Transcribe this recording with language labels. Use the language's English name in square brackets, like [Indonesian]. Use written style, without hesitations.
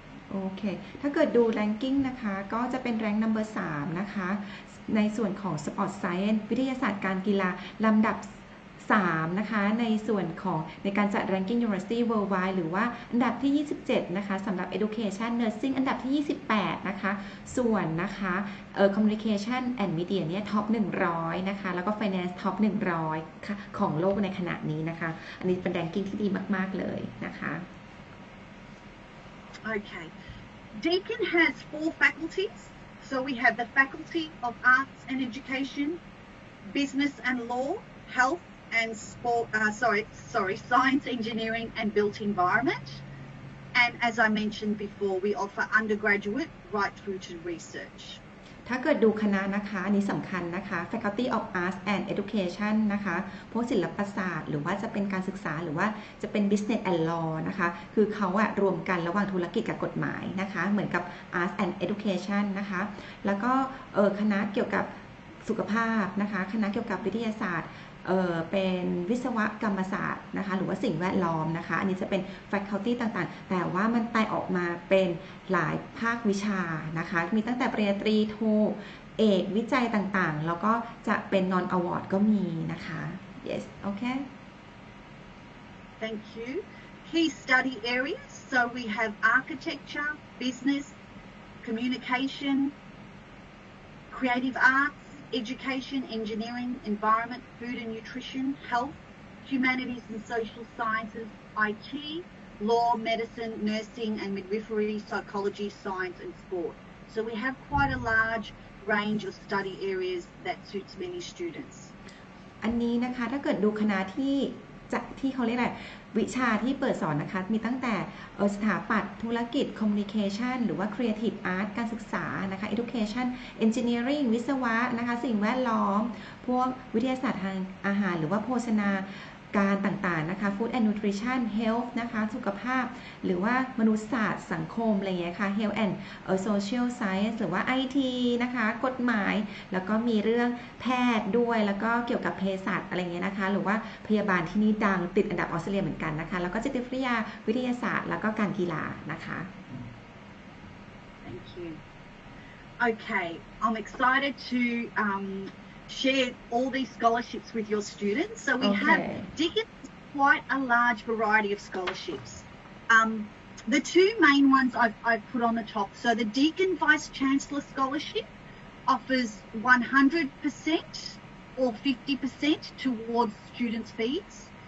[Thai] โอเคถ้าเกิดดูแรงกิ้งนะคะก็จะเป็นแรงค์ number 3นะคะในส่วนของ Sport Science วิทยาศาสตร์การกีฬาลำดับ3นะคะในส่วนของในการจัด Ranking University Worldwide หรือว่าอันดับที่27นะคะสำหรับ Education Nursing อันดับที่28นะคะส่วนนะคะCommunication and Media เนี่ย Top 100นะคะแล้วก็ Finance Top 100ของโลกในขณะนี้นะคะอันนี้เป็น Ranking ที่ดีมากๆเลยนะคะ [English] Okay. Deakin has four faculties. So we have the Faculty of Arts and Education, Business and Law, Health and Sport, Science, Engineering and Built Environment. And as I mentioned before, we offer undergraduate right through to research. [Thai] ถ้าเกิดดูคณะนะคะอันนี้สำคัญนะคะ Faculty of Arts and Education นะคะพวกศิลปศาสตร์หรือว่าจะเป็นการศึกษาหรือว่าจะเป็น Business and Law นะคะคือเขาอะรวมกันระหว่างธุรกิจกับกฎหมายนะคะเหมือนกับ Arts and Education นะคะแล้วก็คณะเกี่ยวกับสุขภาพนะคะคณะเกี่ยวกับวิทยาศาสตร์ เป็นวิศวกรรมศาสตร์นะคะหรือว่าสิ่งแวดล้อมนะคะอันนี้จะเป็น Faculty ต่างๆแต่ว่ามันแตกออกมาเป็นหลายภาควิชานะคะมีตั้งแต่ปริญญาตรีโทเอกวิจัยต่างๆแล้วก็จะเป็นนอนอวอร์ดก็มีนะคะ [English] yes okay thank you key study areas so we have architecture business communication creative arts education engineering environment food and nutrition health humanities and social sciences itLaw, medicine, nursing, and midwifery, psychology, science, and sport. So we have quite a large range of study areas that suits many students. [Thai] อันนี้นะคะถ้าเกิดดูคณะที่เขาเรียกอะไรวิชาที่เปิดสอนนะคะมีตั้งแต่สถาปัตย์ธุรกิจ communication หรือว่า creative art การศึกษานะคะ education engineering วิศวะนะคะสิ่งแวดล้อมพวกวิทยาศาสตร์ทางอาหารหรือว่าโภชนา การต่างๆนะคะ food and nutrition health นะคะสุขภาพหรือว่ามนุษยศาสตร์สังคมอะไรเงี้ยค่ะ health and social science หรือว่า IT นะคะกฎหมายแล้วก็มีเรื่องแพทย์ด้วยแล้วก็เกี่ยวกับเภสัชอะไรเงี้ยนะคะหรือว่าพยาบาลที่นี่ดังติดอันดับออสเตรเลียเหมือนกันนะคะแล้วก็จิตวิทยาวิทยาศาสตร์แล้วก็การกีฬานะคะ [English] Thank you Okay I'm excited to share all these scholarships with your students. So we okay. have Deakin quite a large variety of scholarships. The two main ones I've put on the top. So the Deakin Vice Chancellor Scholarship offers 100% or 50% towards students' fees.